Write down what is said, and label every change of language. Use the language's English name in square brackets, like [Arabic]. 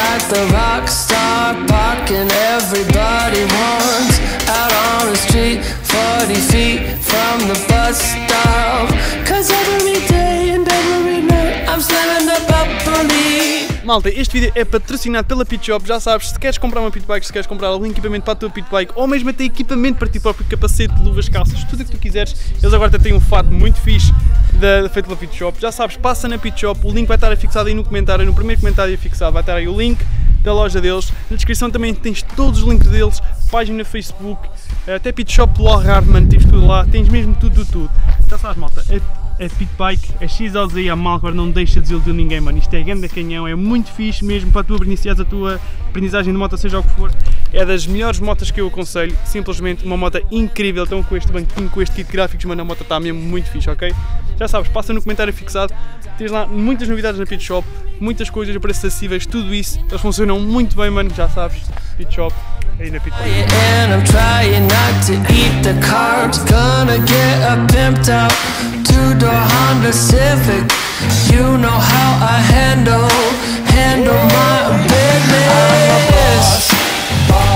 [English] The rock star parking everybody wants out on the street, 40 feet from the bus stop. Cause every day and every night I'm slamming the bubbly. [Portuguese] Malta, este vídeo é patrocinado pela Pitshop. Já sabes, se queres comprar uma pitbike, se queres comprar algum equipamento para a tua pitbike, ou mesmo até equipamento para ti próprio, capacete, luvas, calças, tudo o que tu quiseres, eles agora têm um fato muito fixe feito pela Pitshop. Já sabes, passa na Pitshop, o link vai estar fixado aí no comentário, no primeiro comentário fixado vai estar aí o link da loja deles. Na descrição também tens todos os links deles, página Facebook, até Pitshop Law Hardman, tens tudo lá, tens mesmo tudo. Já sabes, malta, a Pitbike, a XLZ e a Malvar não deixa de desiludir ninguém, mano. Isto é grande canhão, é muito fixe mesmo para tu iniciares a tua aprendizagem de moto, seja o que for. É das melhores motas que eu aconselho, simplesmente uma moto incrível. Então, com este banquinho, com este kit de gráficos, mano, a moto está mesmo muito fixe, ok? Já sabes, passa no comentário fixado, tens lá muitas novidades na Pitshop, muitas coisas, preços acessíveis, tudo isso. Eles funcionam muito bem, mano, já sabes, Pitshop. [English] And I'm trying not to eat the carbs. Gonna get a pimped out two-door Honda Civic. You know how I handle my business. I'm a boss.